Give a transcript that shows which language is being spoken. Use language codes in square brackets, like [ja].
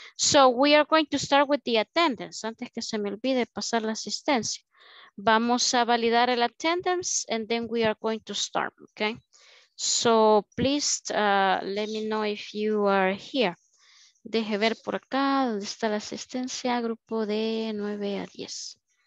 [en] So we are going to start with the attendance. [es] Antes que se me olvide pasar la asistencia. Vamos a validar el [en] attendance and then we are going to start, okay? So please let me know if you are here. [es] Deje ver por acá donde está la asistencia, grupo de 9 a 10.